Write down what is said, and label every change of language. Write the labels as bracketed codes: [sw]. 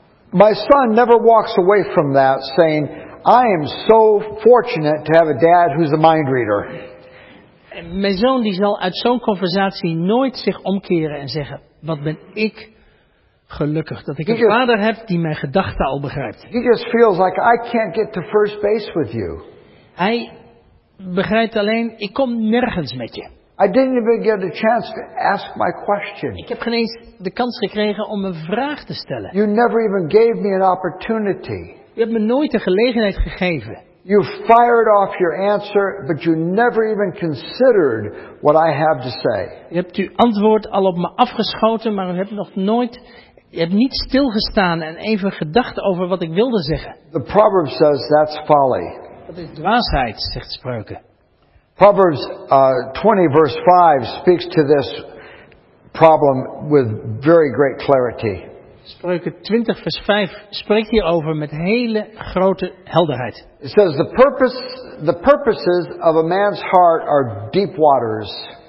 [en] My son never walks away from that saying, I am so fortunate to have a dad who's a mind reader. [nl] Mijn zoon die zal uit zo'n conversatie nooit zich omkeren en zeggen, wat ben ik gelukkig dat ik een vader heb die mijn gedachten al begrijpt. [en] He just feels like I can't get to first base with you. [nl] Hij begrijpt alleen, ik kom nergens met je. [en] I didn't even get a chance to ask my question. [nl] Ik heb geen eens de kans gekregen om een vraag te stellen. [en] You never even gave me an opportunity. [nl] Je hebt me nooit de gelegenheid gegeven. [en] You fired off your answer, but you never even considered what I have to say. [nl] Je hebt uw antwoord al op me afgeschoten, maar u hebt nog nooit, je hebt niet stilgestaan en even gedacht over wat ik wilde zeggen. [en] The proverb says that's folly. [nl] Dat is dwaasheid, zegt Spreuken. [en] Proverbs 20 verse 5 speaks to this problem with very great clarity. [nl] Spreuken 20 vers 5 spreekt hierover met hele grote helderheid. [en] It says the purposes of a man's heart are deep waters.